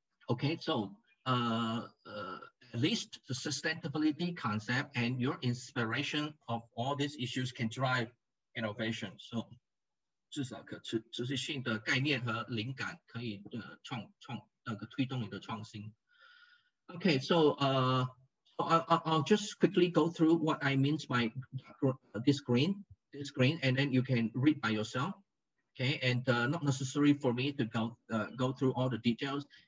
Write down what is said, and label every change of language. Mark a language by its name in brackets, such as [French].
[English] Okay, so at least the sustainability concept and your inspiration of all these issues can drive innovation. [Chinese] So, 至少可持续性的概念和灵感可以创那个推动你的创新。 [English] Okay, so I'll just quickly go through what I mean by this green, and then you can read by yourself. Okay, and not necessary for me to go through all the details.